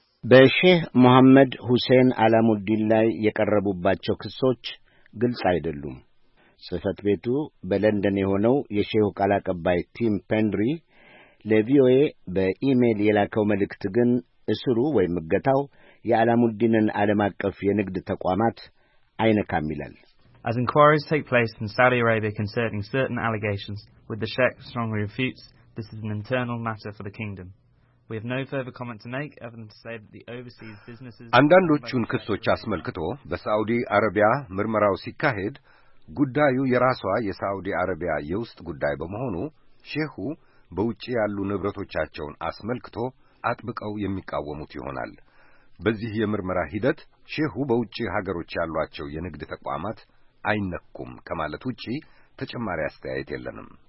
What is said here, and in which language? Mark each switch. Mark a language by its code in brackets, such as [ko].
[am] በሼህ መሐመድ ሁሴን አላሙዲን ላይ የቀረቡባቸው ክሶች ግልጽ አይደሉም። ጽህፈት ቤቱ በለንደን የሆነው የሼሁ ቃል አቀባይ ቲም ፔንድሪ ለቪኦኤ በኢሜይል የላከው መልእክት ግን እስሩ ወይም እገታው የአላሙዲንን ዓለም አቀፍ የንግድ ተቋማት አይነካም ይላል። [en] As inquiries take place in Saudi Arabia concerning certain allegations, with the Sheikh strongly refutes, this is an internal matter for the kingdom. We have no further comment to make other than to say that the overseas businesses [am] አንዳንዶቹን ክሶች አስመልክቶ በሳውዲ አረቢያ ምርመራው ሲካሄድ ጉዳዩ የራሷ የሳውዲ አረቢያ የውስጥ ጉዳይ በመሆኑ ሼሁ በውጪ ያሉ ንብረቶቻቸውን አስመልክቶ አጥብቀው የሚቃወሙት ይሆናል። በዚህ የምርመራ ሂደት ሼሁ በውጪ ሀገሮች ያሏቸው የንግድ ተቋማት አይነኩም ከመላት ውጪ ተጨማሪ አስተያየት የለንም።